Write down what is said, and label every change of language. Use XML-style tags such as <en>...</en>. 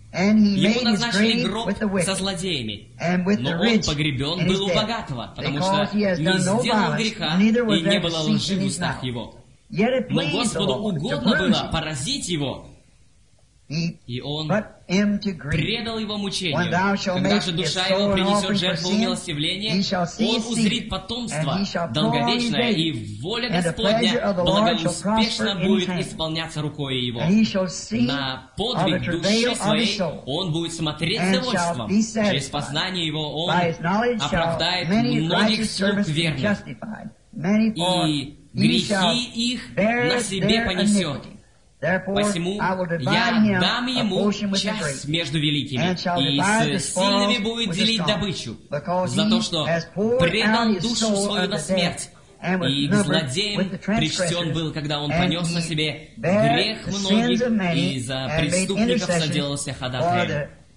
<ru>Ему назначили гроб со злодеями, но он погребен был у богатого, потому что не сделал греха, и не было лжи в устах его». Но Господу угодно было поразить его, и он</ru> <en>him to grief. When thou shalt make his soul an offering for sin, he shall see seed, and he shall prolong his days, and the pleasure of the Lord shall prosper in his hand. And he shall see of the travail of his soul, and shall be satisfied. By his knowledge shall many righteous servants be justified, many for he shall bear their iniquity.</en> <ru>Посему я дам ему часть между великими, и с сильными будет делить добычу, за то, что предал душу свою на смерть, и к злодеям причтен был, когда он понес на себе грех многих, и за преступников соделался ходатаем.</ru>